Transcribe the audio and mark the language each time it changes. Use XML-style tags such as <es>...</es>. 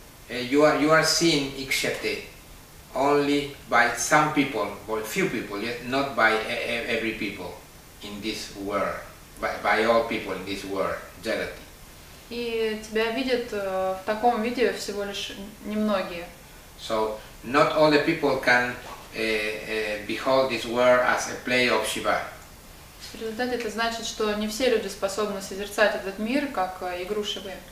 <en>You are seen ikshate only by some people, or few people, yet not by every people in this world, by all people in this world, jagati.</en> <ru>И тебя видят в таком виде всего лишь немногие.</ru> <en>So not all the people can behold this world as a play of Shiva.</en> <ru>В результате это значит, что не все люди способны созерцать этот мир как игру Шивы.</ru>